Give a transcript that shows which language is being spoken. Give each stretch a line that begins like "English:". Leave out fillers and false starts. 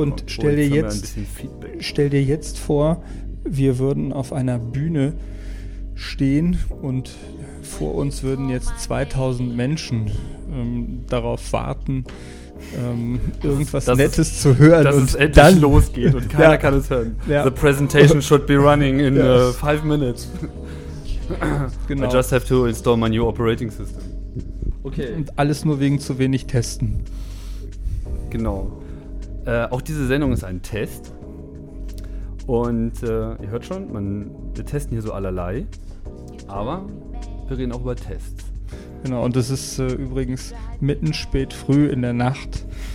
German: Und stell dir jetzt vor, wir würden auf einer Bühne stehen und vor uns würden jetzt 2000 Menschen darauf warten, irgendwas Nettes zu hören. Dass es endlich losgeht und keiner kann es hören. Ja.
English: The presentation should be running in 5 minutes.
German: Genau.
English: I just have to install my new operating system. Okay.
German: Und alles nur wegen zu wenig Testen. Genau. Auch diese Sendung ist ein Test. Und ihr hört schon, wir testen hier so allerlei. Aber wir reden auch über Tests. Genau, und es ist übrigens mitten spät früh in der Nacht.